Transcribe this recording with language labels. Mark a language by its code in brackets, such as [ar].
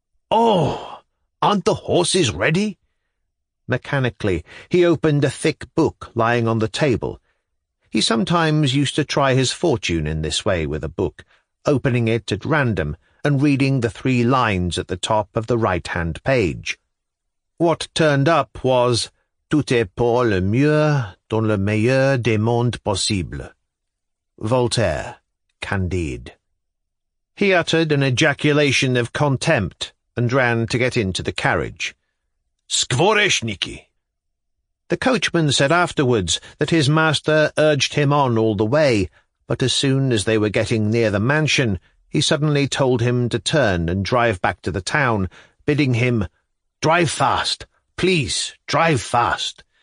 [en] "Oh, aren't the horses ready?" Mechanically, he opened a thick book lying on the table. He sometimes used to try his fortune in this way with a book, opening it at random and reading the 3 lines at the top of the right-hand page. [fr] What turned up was, "Tout est pour le mieux dans le meilleur des mondes possible." [en] Voltaire, Candide. He uttered an ejaculation of contempt and ran to get into the carriage. Skvoreshniki! The coachman said afterwards that his master urged him on all the way, but as soon as they were getting near the mansion, he suddenly told him to turn and drive back to the town, bidding him, "Drive fast, please, drive fast."